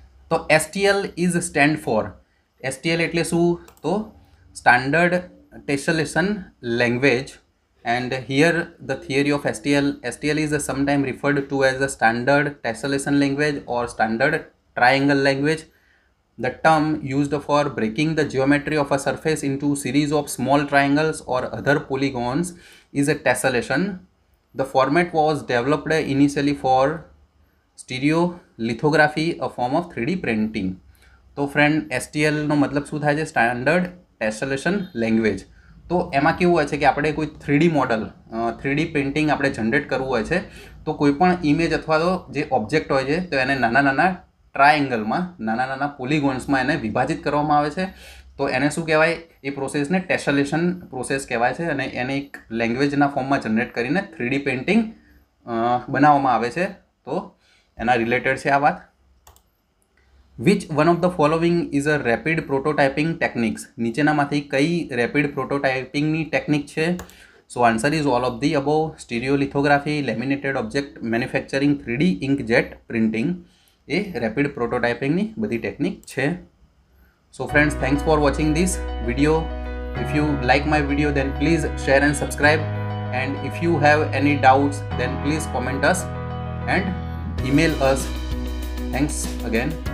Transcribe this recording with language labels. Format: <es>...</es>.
<gu>તો STL</gu> <en>is stand for,</en> <gu>STL એટલે શું? તો standard ટેસલેશન language.</gu> <en>And here the theory of STL, STL is sometime referred to as a standard tessellation language or standard triangle language. The term used for breaking the geometry of a surface into series of small triangles or other polygons is a tessellation. The format was developed initially for stereolithography, a form of 3D printing.</en> <gu>So friend, STL no matlab shu thaye standard tessellation language. તો એમાં કેવું હોય છે કે આપણે કોઈ 3D model 3D printing આપણે generate કરવું હોય છે તો કોઈપણ ઇમેજ અથવા તો જે ઓબ્જેક્ટ હોય છે તો એને નાના નાના ટ્રાયેંગલમાં નાના નાના પોલીગોન્સમાં એને વિભાજિત કરવામાં આવે છે તો એને શું કહેવાય એ પ્રોસેસને ટેસેલેશન પ્રોસેસ કહેવાય છે અને એને એક લેંગ્વેજના ફોર્મમાં જનરેટ કરીને 3D પ્રિન્ટિંગ બનાવવામાં આવે છે તો એના રિલેટેડ છે આ વાત.</gu> <en>Which one of the following is a rapid prototyping techniques?</en> <gu>નીચેનામાંથી કઈ રેપિડ પ્રોટોટાઇપિંગની ટેકનિક છે?</gu> <en>So answer is all of the above.</en> <gu>Stereolithography, laminated object manufacturing, 3D inkjet printing A rapid પ્રોટોટાઇપિંગની બધી ટેકનિક છે.</gu> <en>So friends, thanks for watching this video. If you like my video then please share and subscribe, and if you have any doubts then please comment us and email us. Thanks again.</en>